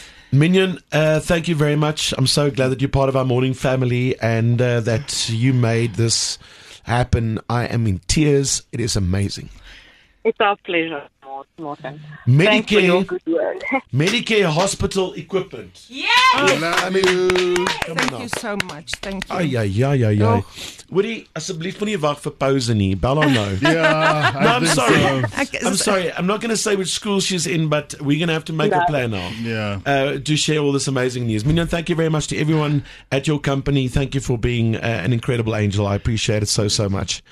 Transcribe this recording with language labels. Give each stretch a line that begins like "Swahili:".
English: Minion, thank you very much. I'm so glad that you're part of our morning family and that you made this happen. I am in tears. It is amazing. It's our pleasure, Morten. Medicare, thanks for your good word. Medicare Hospital Equipment. Yes! I love you. Yes. Thank you so much. Thank you.
Afrikaans: Woody, asseblief moet nie wag vir pause nie. Bel haar nou.
English: Yeah, no, I'm sorry. I'm sorry. I'm not going to say which school she's in, but we're going to have to make a plan now. Yeah. To share all this amazing news. Minion, thank you very much to everyone at your company. Thank you for being an incredible angel. I appreciate it so, so much.